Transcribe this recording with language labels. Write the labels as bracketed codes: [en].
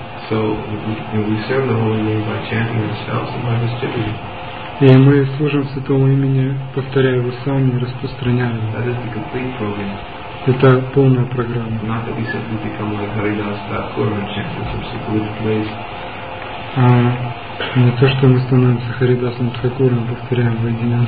[en] So we serve the Holy Name by chanting ourselves and by distributing. [ru] И мы служим Святому Имени, повторяя его сами и распространяя его. [en] That is the complete program. [ru] Это полная программа. [en] Not that we simply become like Haridas Thakur and chant in some secluded place. [ru] Не то, что мы становимся Харидасом Тхакуром, повторяем воединенно.